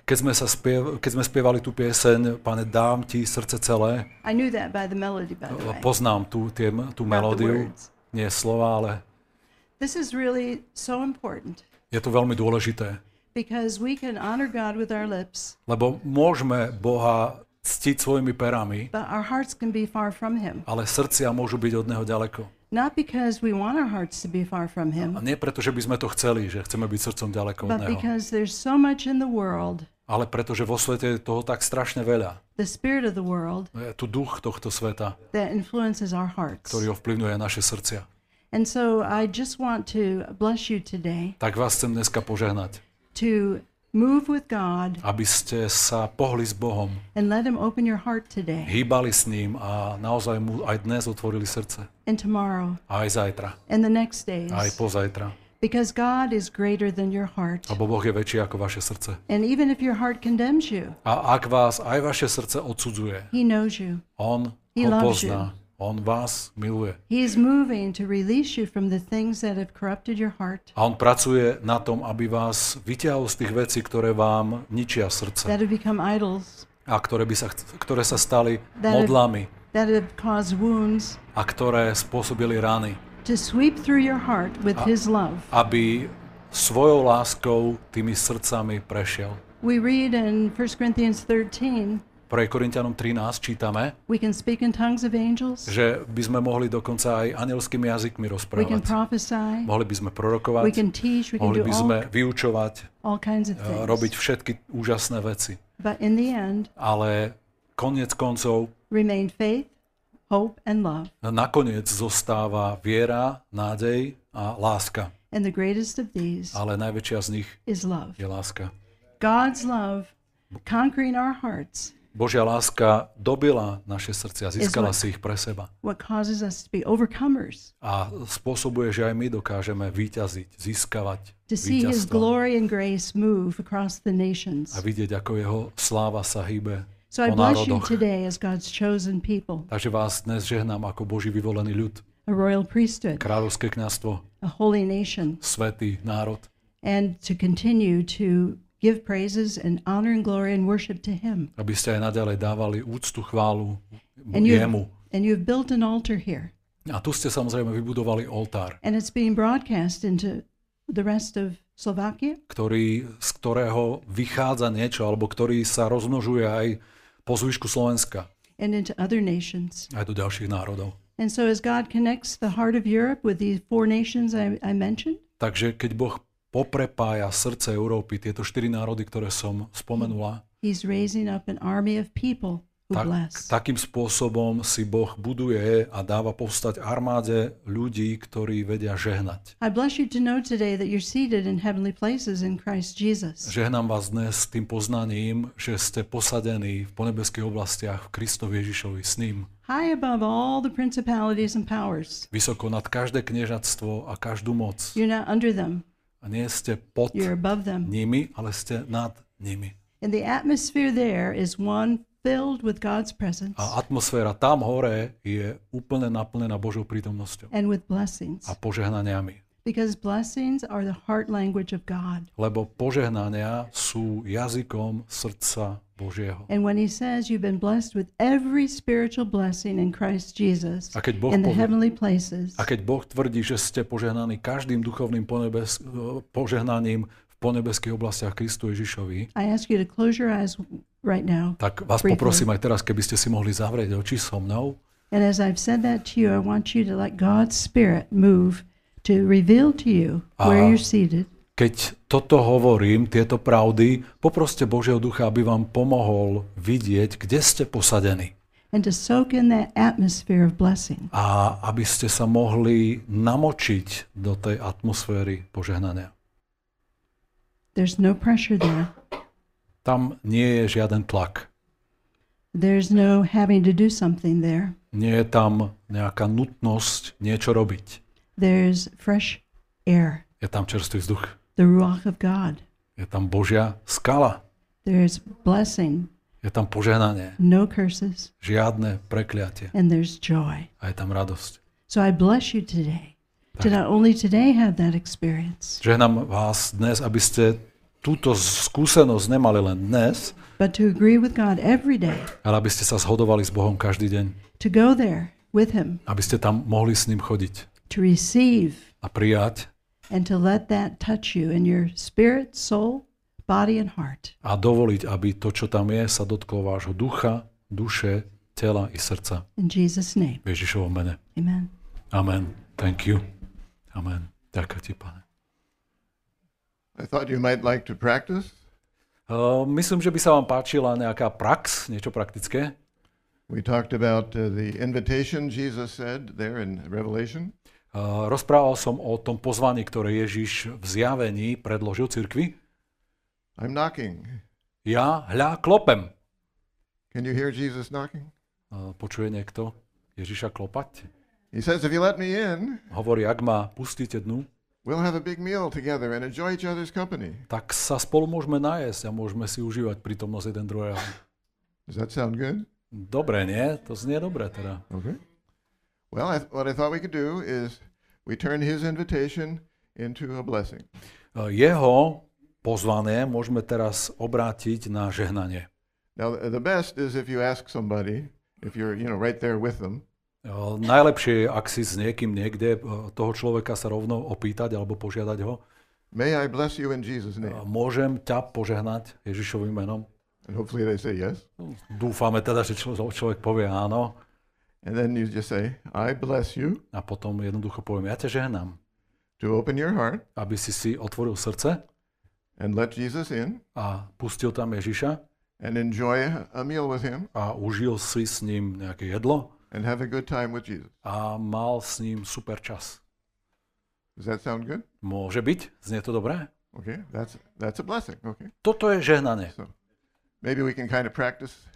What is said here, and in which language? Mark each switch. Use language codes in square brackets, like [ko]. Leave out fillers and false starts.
[sk] keď sme spievali tú pieseň, Pane, dám ti srdce celé, [en] I knew that by the melody, by the way. [sk] Poznám tú melódiu, nie slova, ale [en] this is really so important. [sk] Je to veľmi dôležité. [en] Because we can honor God with our lips. [sk] Lebo môžeme Boha ctiť svojimi perami. [en] But our hearts can be far from him. [sk] Ale srdcia môžu byť od neho ďaleko. [en] Not because we want our hearts to be far from him. [sk] A nie preto, že by sme to chceli, že chceme byť srdcom ďaleko [en] but [sk] od neho. [en] Because there's so much in the world. [sk] Ale pretože vo svete je toho tak strašne veľa. [en] The spirit of the world. [sk] Je tu duch tohto sveta. [en] That influences our hearts. [sk] Ktorý ovplyvňuje naše srdcia. [en] And so I just want to bless you today. [sk] Tak vás chcem dneska požehnať. [en] To move with God. [sk] Aby ste sa pohli s Bohom. [en] And let him open your heart today. [sk] Hýbali s ním a naozaj mu aj dnes otvorili srdce. [en] And tomorrow. [sk] Aj zajtra. [en] And the next days. [sk] Aj pozajtra. [en] Because God is greater than your heart. [sk] Abo Boh je väčší ako vaše srdce. [en] And even if your heart condemns you. [sk] A ak vás aj vaše srdce odsudzuje. [en] He knows you. [sk] On [en] he [sk] ho pozná. On vás miluje. [en] He is moving to release you from the things that have corrupted your heart. [sk] A on pracuje na tom, aby vás vytiahol z tých vecí, ktoré vám ničia srdce. [en] That have become idols. [sk] A ktoré sa stali modlami. [en] That have caused wounds. [sk] A ktoré spôsobili rany. [en] To sweep through your heart with his love. [sk] Aby svojou láskou tými srdcami prešiel. [en] We read in 1 Corinthians 13. [sk] Pre Korintianom 13 čítame, [en] we can speak in tongues of angels. [sk] Že by sme mohli dokonca aj anielskými jazykmi rozprávať. [en] We can prophesy. [sk] Mohli by sme prorokovať. [en] We can teach, we [sk] mohli [en] can do [sk] by sme vyučovať. [en] All kinds of things. [sk] Robiť všetky úžasné veci. [en] But in the end, [sk] ale koniec koncov [en] remain faith. Hope and love. [sk] Nakoniec zostáva viera, nádej a láska. [en] And the greatest of these, [sk] ale najväčšia z nich [en] is love. [sk] Je láska. [en] God's love conquering our hearts. [sk] Božia láska dobila naše srdcia, získala si ich pre seba. [en] What causes us to be overcomers. [sk] A spôsobuje, že aj my dokážeme víťaziť, získavať víťazstvo. [en] To see his glory and grace move across the nations. [sk] A vidieť, ako jeho sláva sa hýbe. [en] So I bless you today as God's chosen people. [sk] Takže vás dnes žehnám ako Boží vyvolený ľud. [en] A royal priesthood. [sk] Kráľovské kňazstvo. [en] A holy nation. [sk] Svätý národ. [en] And to continue to give praises and honor and glory and worship to him. [sk] Aby ste aj naďalej dávali úctu, chválu jemu. [en] And you've built an altar here. [sk] A tu ste samozrejme vybudovali oltár. [en] And it's being broadcast into the rest of Slovakia? [sk] Z ktorého vychádza niečo, alebo ktorý sa rozmnožuje aj po zvyšku Slovenska. [en] And into other nations. [sk] Aj do ďalších národov. [en] And so as God connects the heart of Europe with these four nations I mentioned. [sk] Takže keď Boh poprepája srdce Európy, tieto štyri národy, ktoré som spomenula. [en] He's raising up an army of people who [sk] tak, [en] bless. [sk] Takým spôsobom si Boh buduje a dáva povstať armáde ľudí, ktorí vedia žehnať. [en] I bless you to know today that you're seated in heavenly places in Christ Jesus. [sk] Žehnám vás dnes tým poznaním, že ste posadení v ponebeských oblastiach v Kristovi Ježišovi s ním. [en] High above all the principalities and powers. [sk] Vysoko nad každé kniežatstvo a každú moc. [en] You're not under them. [sk] A nie ste pod [en] you're above them. [sk] Nimi, ale ste nad nimi. [en] And the atmosphere there is one filled with God's presence. [sk] A atmosféra tam hore je úplne naplnená Božou prítomnosťou. [en] And with blessings. [sk] A požehnaniami. [en] Because blessings are the heart language of God. [sk] Lebo požehnania sú jazykom srdca Božieho. [en] And when he says you've been blessed with every spiritual blessing in Christ Jesus in the heavenly places. [sk] A keď Boh tvrdí, že ste požehnaní každým duchovným požehnaním v ponebeských oblastiach Kristu Ježišovi. [en] I ask you to close your eyes right now. [sk] Tak vás poprosím aj teraz, keby ste si mohli zavrieť oči so mnou. [en] And as I've said that to you, I want you to let God's spirit move to reveal to you where you're seated. [sk] Keď toto hovorím, tieto pravdy, poproste Božieho Ducha, aby vám pomohol vidieť, kde ste posadení. [en] And to soak in that atmosphere of blessing. [sk] A aby ste sa mohli namočiť do tej atmosféry požehnania. [en] There's no pressure there. [sk] Tam nie je žiaden tlak. [en] There's no having to do something there. [sk] Nie je tam nejaká nutnosť niečo robiť. [en] There's fresh air. [sk] Je tam čerstvý vzduch. [en] The ruach of God. [sk] Je tam Božia skala. [en] There's blessing. [sk] Je tam požehnanie. [en] No curses. [sk] Žiadne prekliatie. [en] And there's joy. [sk] A je tam radosť. [en] So I bless you today. To not only today have that experience. [sk] Žehnám vás dnes, aby ste túto skúsenosť nemali len dnes. [en] But to agree with God every day. [sk] Ale aby ste sa zhodovali s Bohom každý deň. [en] To go there with him. [sk] Aby ste tam mohli s ním chodiť. [en] To receive. [sk] A prijať. [en] And to let that touch you in your spirit, soul, body and heart. [sk] A dovoliť, aby to, čo tam je, sa dotklo vášho ducha, duše, tela i srdca. [en] In Jesus' name. [sk] V Ježišovom mene. [en] Amen. Amen. Thank you. Amen. [sk] Ďakujem ti, Pane. [en] I thought you might like to practice. [sk] Myslím, že by sa vám páčila nejaká prax, niečo praktické. [en] We talked about the invitation Jesus said there in Revelation. [sk] Rozprával som o tom pozvaní, ktoré Ježiš v zjavení predložil cirkvi. [en] I'm knocking. [sk] Ja hľa klopem. [en] Can you hear Jesus knocking? [sk] Počuje niekto Ježiša klopať? [en] He says, if you let me in, [sk] hovorí, ak ma pustíte dnu, [en] We'll have a big meal together and enjoy each other's company. [sk] Tak sa spolu môžeme nájsť a môžeme si užívať prítomnosť jeden druhého. [en] Does that sound good? [sk] Dobre, nie? To znie dobre teda. [en] Okay. Well, what I thought we could do is we turn his invitation into a blessing. [sk] Jeho pozvanie môžeme teraz obrátiť na žehnanie. [en] Now, the best is if you ask somebody, if you're, you know, right there with them. [sk] Najlepšie je, ak si s niekým niekde toho človeka sa rovno opýtať alebo požiadať ho. [en] May I bless you in Jesus' name. [sk] Môžem ťa požehnať Ježišovým menom. [en] And hopefully they say yes. [sk] Dúfame teda, že človek povie áno. [en] And then you just say, I bless you. [sk] A potom jednoducho poviem, ja ťa žehnám. [en] To open your heart. [sk] Aby si si otvoril srdce. [en] And let Jesus in. [sk] A pustil tam Ježiša. [en] And enjoy a meal with him. [sk] A užil si s ním nejaké jedlo. [en] And have a good time with Jesus. [sk] A mal s ním super čas. [en] Does that sound good? [sk] Môže byť. Znie to dobré? [en] Okay, that's a blessing. Okay. [sk] Toto je žehnanie. [en] So, maybe we can kind of practice.